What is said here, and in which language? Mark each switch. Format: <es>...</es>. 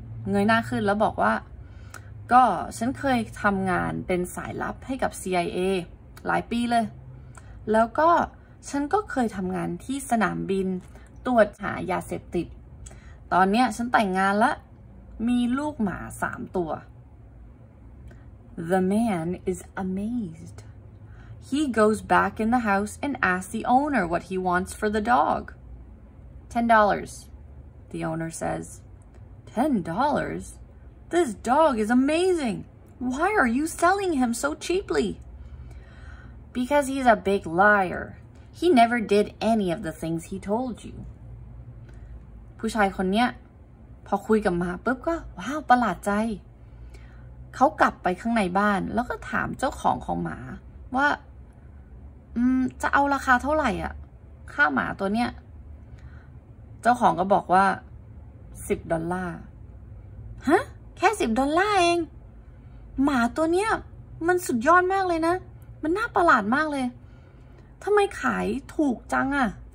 <th>เงยหน้าขึ้นแล้วบอกว่าก็ฉันเคยทำงานเป็นสายลับให้กับ CIA หลายปีเลยแล้วก็ฉันก็เคยทำงานที่สนามบินตรวจหายาเสพติดตอนเนี้ยฉันแต่งงานละมีลูกหมา3ตัว</th> <en>The man is amazedHe goes back in the house and asks the owner what he wants for the dog. $10, the owner says. $10? This dog is amazing. Why are you selling him so cheaply? Because he's a big liar. He never did any of the things he told you.</en> <th>ผู้ชายคนนี้พอคุยกับหมาปุ๊บก็ว้าวประหลาดใจเขากลับไปข้างในบ้านแล้วก็ถามเจ้าของของหมาว่าจะเอาราคาเท่าไหร่อ่ะค่าหมาตัวเนี้ย เจ้าของก็บอกว่า10ดอลลาร์ฮะแค่10ดอลลาร์เองหมาตัวเนี้ยมันสุดยอดมากเลยนะมันน่าประหลาดมากเลยทำไมขายถูกจังอ่ะ</th>